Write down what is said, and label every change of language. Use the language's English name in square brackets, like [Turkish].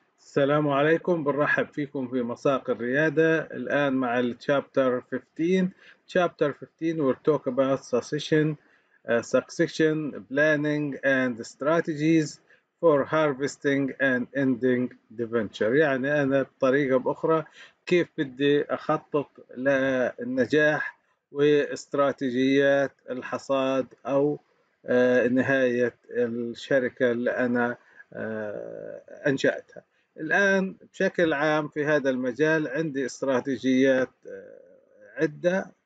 [Arabic] السلام عليكم، برحب فيكم في مساق الريادة. الآن مع الشابتر 15. شابتر 15 [English] we'll talk about succession planning and strategies for harvesting and ending debenture. [Arabic] يعني أنا بطريقة بأخرى كيف بدي أخطط للنجاح واستراتيجيات الحصاد أو نهاية الشركة اللي أنا أنشأتها. الآن بشكل عام في هذا المجال عندي استراتيجيات عدة.